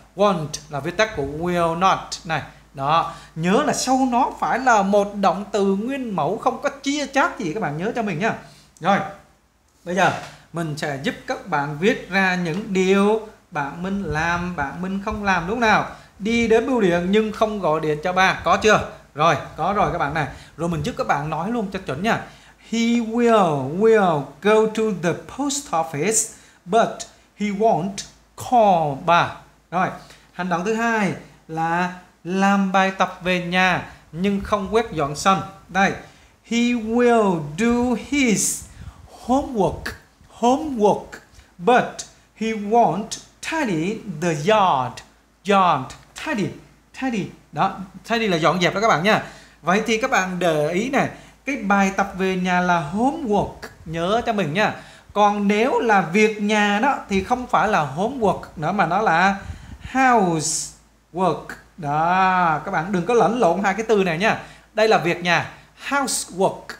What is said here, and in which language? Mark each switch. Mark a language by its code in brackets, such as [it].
[vi] Won't là viết tắt của will not này. Đó, nhớ là sau nó phải là một động từ nguyên mẫu, không có chia chác gì, các bạn nhớ cho mình nha. Rồi, bây giờ mình sẽ giúp các bạn viết ra những điều bạn Minh làm, bạn Minh không làm đúng nào. Đi đến bưu điện nhưng không gọi điện cho ba, có chưa? Rồi, có rồi các bạn này. Rồi mình giúp các bạn nói luôn cho chuẩn nha. [en] He will go to the post office, but he won't call ba. [vi] Rồi, hành động thứ hai là làm bài tập về nhà nhưng không quét dọn sân. [en] Đây, he will do his homework, but he won't tidy the yard. Tidy. [vi] Đó, tidy là dọn dẹp đó các bạn nha. Vậy thì các bạn để ý này, cái bài tập về nhà là homework, nhớ cho mình nha. Còn nếu là việc nhà đó thì không phải là homework nữa mà nó là housework. Đó, các bạn đừng có lẫn lộn hai cái từ này nha. Đây là việc nhà, housework.